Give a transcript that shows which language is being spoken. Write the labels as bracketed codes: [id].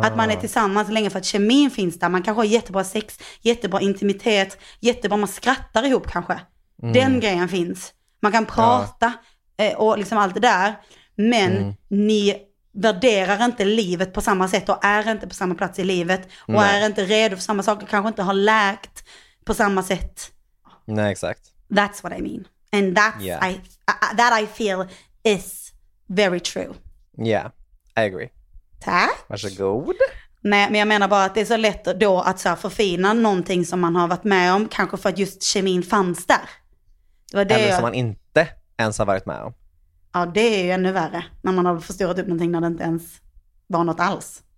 [sv] Att man är tillsammans länge för att kemin finns där. Man kanske har jättebra sex, jättebra intimitet, jättebra, man skrattar ihop kanske. Mm. Den grejen finns. Man kan prata och liksom allt det där. Men ni värderar inte livet på samma sätt och är inte på samma plats i livet. Och är inte redo för samma saker, kanske inte har läkt på samma sätt. Nej, exakt. [en] That's what I mean. And that's, that I feel is very true. Yeah, I agree. [sv] Tack. Varsågod. Nej, men jag menar bara att det är så lätt då att så här förfina någonting som man har varit med om. Kanske för att just kemin fanns där. Det var det. Eller som man inte ens har varit med om. Ja, det är ju ännu värre. När man har förstorat upp någonting när det inte ens var något alls.